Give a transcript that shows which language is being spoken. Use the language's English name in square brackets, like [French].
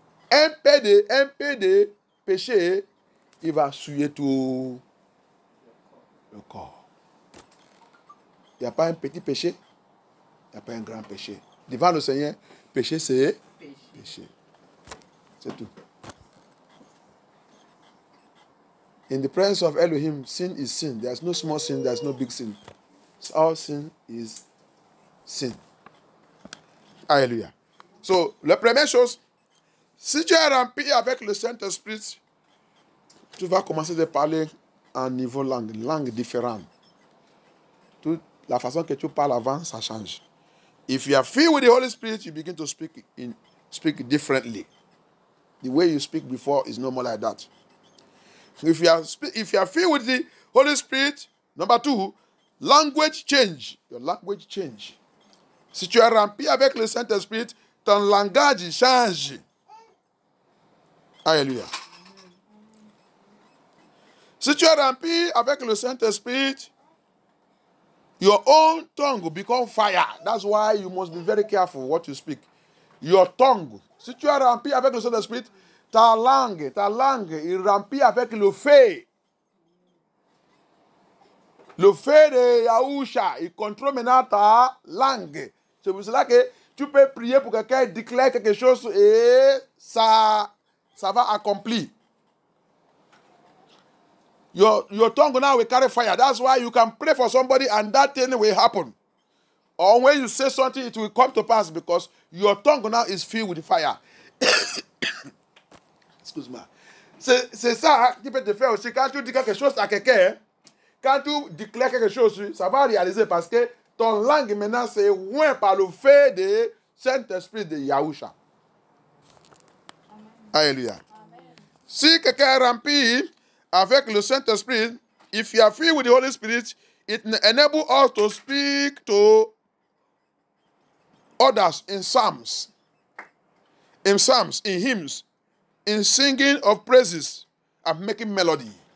[French] Un peu de péché, il va souiller tout. Le corps. Il n'y a pas un petit péché, il n'y a pas un grand péché. Devant le Seigneur, péché c'est péché. C'est tout. [English] In the presence of Elohim, sin is sin. There's no small sin, there's no big sin. So all sin is sin. Alléluia. [French] So, la première chose, si tu es rempli avec le Saint-Esprit, tu vas commencer à parler en niveau langue, langue différente. Toute la façon que tu parles avant, ça change. [English] If you are filled with the Holy Spirit, you begin to speak differently. The way you speak before is no more like that. If you are filled with the Holy Spirit, number two, language change. Your language change. [French] Si tu es rempli avec le Saint-Esprit, ton langage change. Alléluia. Si tu es rempli avec le Saint-Esprit, [English] your own tongue become fire. That's why you must be very careful what you speak. Your tongue. [French] Si tu es rempli avec le Saint-Esprit, ta langue est remplie avec le feu. Le feu de Yahusha, il contrôle maintenant ta langue. C'est pour cela que tu peux prier pour que quelqu'un déclare quelque chose et ça va accomplir. [English] Your tongue now will carry fire. That's why you can pray for somebody and that thing will happen. Or when you say something, it will come to pass because your tongue now is filled with fire. [French] Excuse-moi. C'est ça qui peut te faire aussi. Quand tu dis quelque chose à quelqu'un, quand tu déclares quelque chose, ça va réaliser parce que ton langue maintenant s'est oint par le feu de Saint-Esprit de Yahusha. Alléluia. Si quelqu'un est rempli avec le Saint-Esprit, [English] if you are filled with the Holy Spirit, it enables us to speak to others in psalms, in hymns, in singing of praises and making melody.